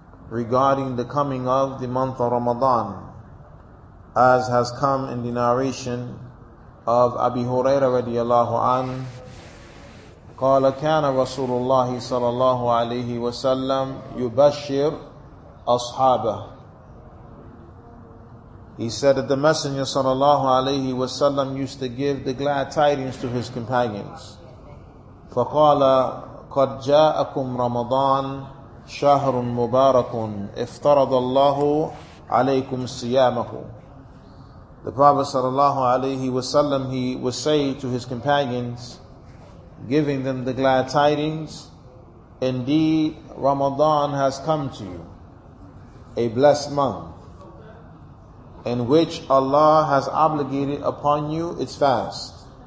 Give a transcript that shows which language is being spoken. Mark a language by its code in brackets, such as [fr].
[en] regarding the coming of the month of Ramadan, as has come in the narration of Abi Huraira radiallahu an, [ar] قال كان رسول الله صلى الله عليه وسلم يبشر أصحابه. [en] He said that the Messenger [ar] صلى الله عليه وسلم [en] used to give the glad tidings to his companions. [ar] فقال قد جاءكم رمضان شهر مبارك افترض الله عليكم صيامه. [en] The Prophet sallallahu alaihi wasallam, he would say to his companions, giving them the glad tidings, indeed Ramadan has come to you, a blessed month, in which Allah has obligated upon you its fast.